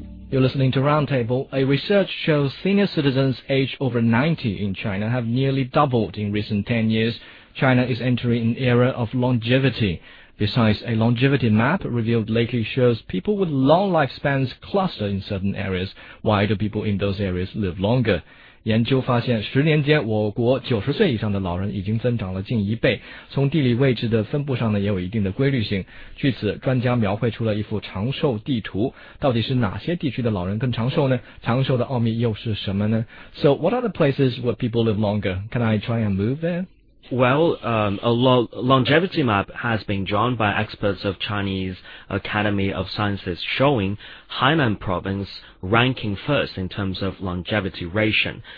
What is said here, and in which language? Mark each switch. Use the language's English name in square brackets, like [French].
[English] You're listening to Roundtable. A research shows senior citizens aged over 90 in China have nearly doubled in recent 10 years. China is entering an era of longevity. Besides, a longevity map revealed lately shows people with long lifespans cluster in certain areas. Why do people in those areas live longer? [Chinese] 研究发现，十年间我国90岁以上的老人已经增长了近一倍。从地理位置的分布上呢，也有一定的规律性。据此，专家描绘出了一幅长寿地图。到底是哪些地区的老人更长寿呢？长寿的奥秘又是什么呢？ [English] So what are the places where people live longer? Can I try and move there? Well, a longevity map has been drawn by experts of Chinese Academy of Sciences showing Hainan province ranking first in terms of longevity ratio.